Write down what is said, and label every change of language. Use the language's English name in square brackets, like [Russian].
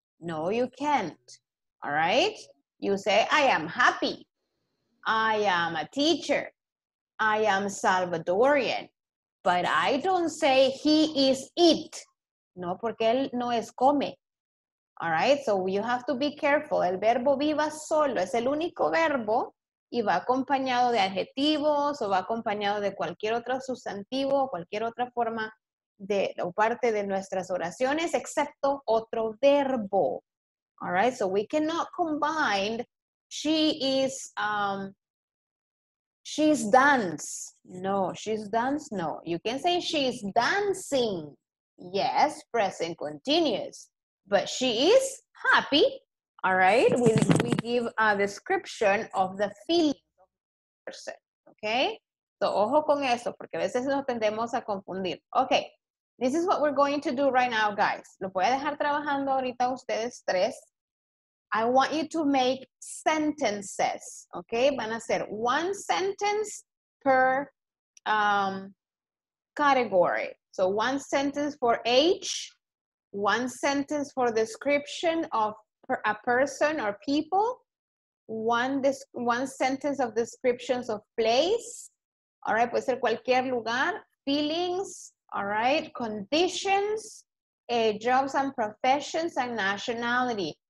[English] No, you can't, all right? You say, I am happy. I am a teacher. I am Salvadorian. But I don't say, he is it. [Spanish] No, porque él no es come. [English] All right, so you have to be careful. [Spanish] El verbo viva solo es el único verbo y va acompañado de adjetivos o va acompañado de cualquier otro sustantivo o cualquier otra forma de o parte de nuestras oraciones, excepto otro verbo. [English] All right, so we cannot combine she's dance. No, she's dance, no. You can say she's dancing. Yes, present continuous. But she is happy. All right. We give a description of the feeling of the person. Okay. [Spanish] So, ojo con eso, porque a veces nos tendemos a confundir. Okay. [English] This is what we're going to do right now, guys. [Spanish] Lo voy a dejar trabajando ahorita ustedes tres. [English] I want you to make sentences. Okay. [Spanish] Van a ser [English] one sentence per category. So one sentence for age, one sentence for description of a person or people, one sentence of descriptions of place, all right, [Spanish] puede ser cualquier lugar, [English] feelings, all right, conditions, jobs and professions and nationality.